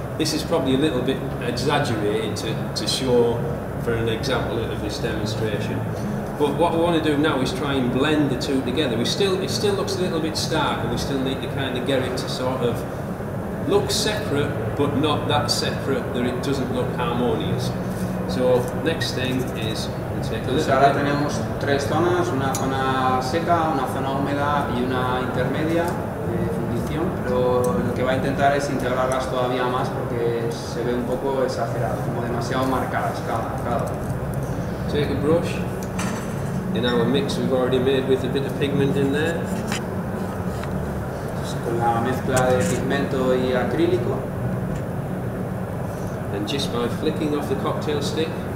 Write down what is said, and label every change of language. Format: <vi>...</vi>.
<en>This is probably a little bit exaggerated to show for an example of this demonstration. But what we want to do now is try and blend the two together. It still looks a little bit stark, and we still need to kind of get it to sort of look separate, but not that separate that it doesn't look harmonious. So next thing is,</en> <es>entonces ahora tenemos tres zonas, una zona seca, una zona húmeda y una intermedia de fundición, pero lo que va a intentar es integrarlas todavía más porque se ve un poco exagerado, como demasiado marcadas cada.</es> <en>Take a brush in our mix we've already made with a bit of pigment in there.</en> <es>Con la mezcla de pigmento y acrílico.</es> <en>And just by flicking off the cocktail stick.</en>